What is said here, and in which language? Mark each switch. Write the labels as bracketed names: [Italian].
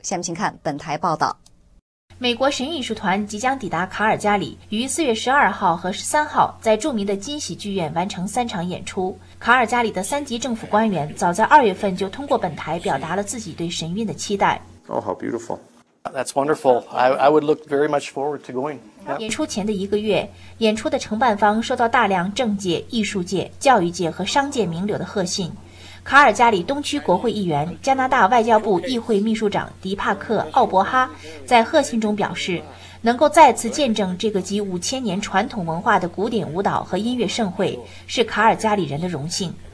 [Chinese] 下面请看本台报道。美国神韵艺术团即将抵达卡尔加里，于4月12号和13号在著名的金喜剧院完成三场演出。卡尔加里的三级政府官员早在2月份就通过本台表达了自己对神韵的期待。 [English] Oh, how beautiful. That's wonderful. I would look very much forward to going. [Chinese] 演出前的一个月，演出的承办方收到大量政界、艺术界、教育界和商界名流的贺信。卡尔加里东区国会议员、加拿大外交部议会秘书长迪帕克·奥伯哈在贺信中表示，能够再次见证这个集5000年传统文化的古典舞蹈和音乐盛会，是卡尔加里人的荣幸。